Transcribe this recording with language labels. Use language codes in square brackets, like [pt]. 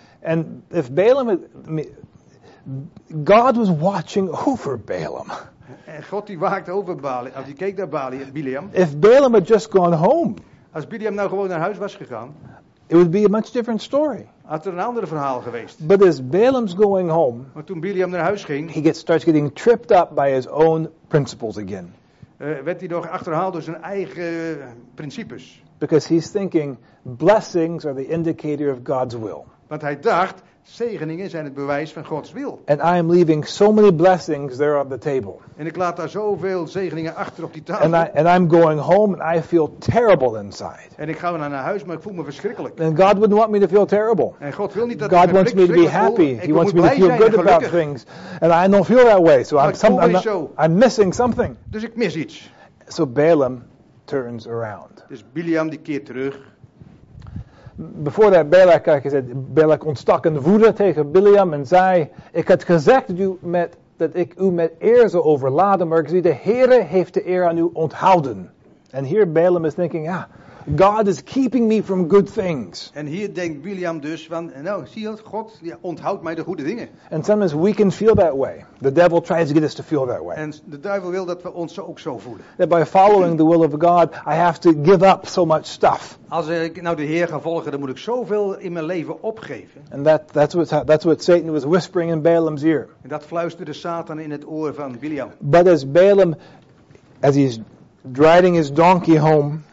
[en] And if Balaam, God was watching over Balaam. [nl] En God die waakt over Balaam. Als hij keek naar Bileam. [en] If Balaam had just gone home. [nl] Als Bileam nou gewoon naar huis was gegaan. [en] It would be a much different story. [nl] Had er een ander verhaal geweest. [en] But as Balaam's going home. [nl] Maar toen Bileam naar huis ging. [en] He starts getting tripped up by his own principles again. [nl] Werd hij nog achterhaald door zijn eigen principes. [en] Because he's thinking, blessings are the indicator of God's will. [nl] Want hij dacht, zegeningen zijn het bewijs van Gods wil. [en] And I am leaving so many blessings there on the table. [nl] En ik laat daar zoveel zegeningen achter op die tafel. [en] And I'm going home and I feel terrible inside. [nl] En ik ga dan naar huis, maar ik voel me verschrikkelijk. [en] And God wouldn't want me to feel terrible. [nl] En God wil niet dat God ik me verschrikkelijk voel. [en] God wants me to be happy. [nl] Voel. [en] He wants me to feel good about things. And I don't feel that way. So I'm missing something. [nl] Dus ik mis iets. [en] So Balaam turns around. [nl] Dus Bileam die keert terug. [en] Before that, Balak, like I said, [nl] Balak ontstak in woede tegen Bileam en zei, ik had gezegd dat ik u met eer zou overladen, maar ik zie, de Heere heeft de eer aan u onthouden. En hier [en] Balaam is thinking, ah, God is keeping me from good things. [nl] En hier denkt Bileam dus van, nou, zie je, God ja, onthoudt mij de goede dingen. [en] And sometimes we can feel that way. The devil tries to get us to feel that way. [nl] En de duivel wil dat we ons ook zo voelen. [en] That by following the will of God, I have to give up so much stuff. [nl] Als ik nou de Heer ga volgen, dan moet ik zoveel in mijn leven opgeven. [en] And that's what Satan was whispering in Balaam's ear. [nl] En dat fluisterde Satan in het oor van Bileam. [en] But as Balaam, as he's driving his donkey home.